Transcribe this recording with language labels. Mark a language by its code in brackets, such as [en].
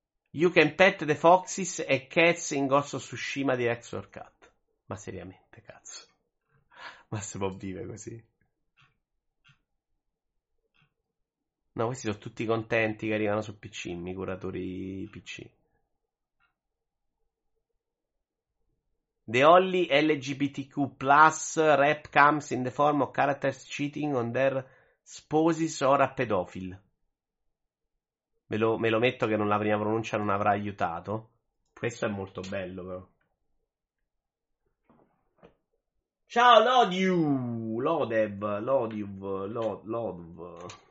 [en] You can pet the foxes and cats in Ghost of Tsushima di Director's Cut. [it] Ma seriamente, cazzo. Ma si può vivere così? No, questi sono tutti contenti che arrivano su PC, i curatori PC. [en] The only LGBTQ+ rap comes in the form of characters cheating on their spouses or a pedophile. [it] Me lo metto che non la prima pronuncia non avrà aiutato. Questo è molto bello, però. Ciao, Lodiu! Lodiv!